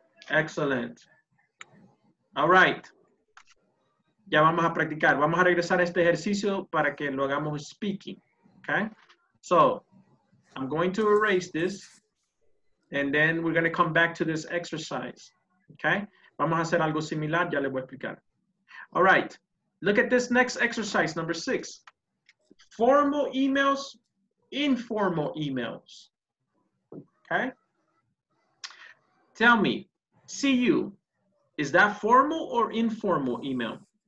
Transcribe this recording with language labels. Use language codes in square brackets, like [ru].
[en] Excellent. All right. [es] Ya vamos a practicar. Vamos a regresar a este ejercicio para que lo hagamos speaking. [en] Okay, so I'm going to erase this and then we're going to come back to this exercise. [es] Okay, vamos a hacer algo similar, ya le voy a explicar. [en] All right, look at this next exercise, number six. Formal emails, informal emails. Okay, tell me, see you, is that formal or informal email?